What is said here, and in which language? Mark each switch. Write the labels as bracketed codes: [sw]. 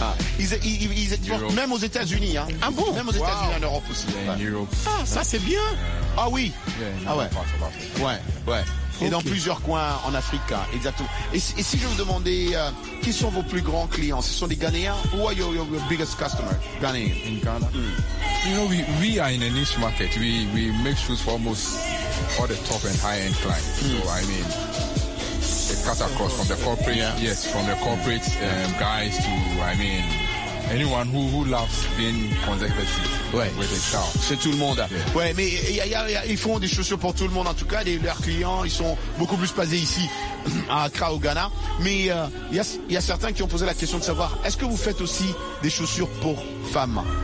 [fr] Ah, ils exportent même aux États-Unis. Hein. Ah bon? Même aux États-Unis, en Europe aussi. [en] Yeah, in Europe. [fr] Ah, ça, c'est bien. Ah oui. [en] Yeah, [fr] ah ouais. Ouais. Okay. Et dans plusieurs coins en Afrique, hein, exactement. Et si je vous demandais qui sont vos plus grands clients, ce sont des Ghanéens? [en] Who are your biggest customers, Ghanéens? In Ghana. Mm. You know, we are in a niche market. We make shoes for almost all the top and high end clients. Mm. So I mean, it cuts across from the corporate, from the corporate guys to, I mean. Anyone who loves being consecutive with a child. [fr] C'est tout le monde. Yeah. Ouais, mais y a, ils font des chaussures pour tout le monde. En tout cas, leurs clients, ils sont beaucoup plus basés ici, à Accra, au Ghana. Mais y a certains qui ont posé la question de savoir, est-ce que vous faites aussi des chaussures pour femmes?